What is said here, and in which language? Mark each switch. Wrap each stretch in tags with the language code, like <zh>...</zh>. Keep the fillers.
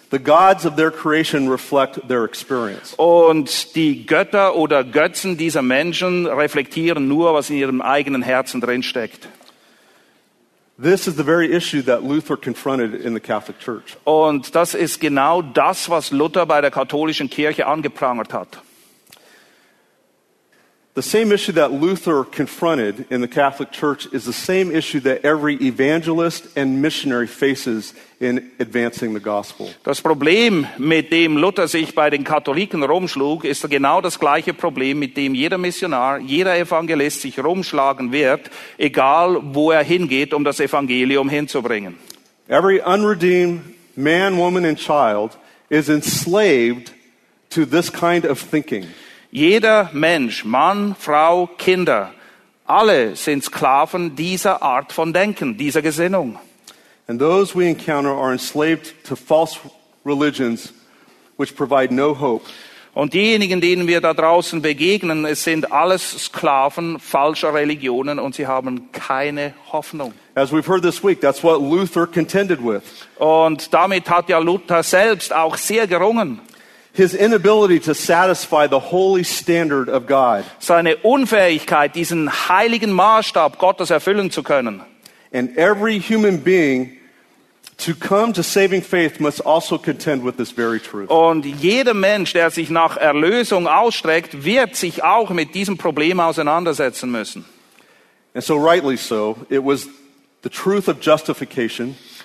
<en>The gods of their creation reflect their experience.</en> <de>Und die Götter oder Götzen dieser Menschen reflektieren nur, was in ihrem eigenen Herzen drin steckt.</de> <en>This is the very issue that Luther confronted in the Catholic Church.</en> <de>Und das ist genau das, was Luther bei der katholischen Kirche angeprangert hat.</de> <en>The same issue that Luther confronted in the Catholic Church is the same issue that every evangelist and missionary faces in advancing the gospel.</en> <de>Das Problem, mit dem Luther sich bei den Katholiken rumschlug, ist genau das gleiche Problem, mit dem jeder Missionar, jeder Evangelist sich rumschlagen wird, egal wo er hingeht, um das Evangelium hinzubringen.</de> <en>Every unredeemed man, woman and child is enslaved to this kind of thinking.</en> <de>Jeder Mensch, Mann, Frau, Kinder, alle sind Sklaven dieser Art von Denken, dieser Gesinnung. No und diejenigen, denen wir da draußen begegnen, es sind alles Sklaven falscher Religionen und sie haben keine Hoffnung.</de> <en>As we've heard this week, that's what Luther contended with.</en> <de>Und damit hat ja Luther selbst auch sehr gerungen.</de> <en>His inability to satisfy the holy standard of God.</en> <de>Seine Unfähigkeit, diesen heiligen Maßstab Gottes erfüllen zu können.</de> <en>And every human being to come to saving faith must also contend with this very truth.</en> <de>Und jeder Mensch, der sich nach Erlösung ausstreckt, wird sich auch mit diesem Problem auseinandersetzen müssen.</de> <en>And so rightly so, it was the truth of justification.</en>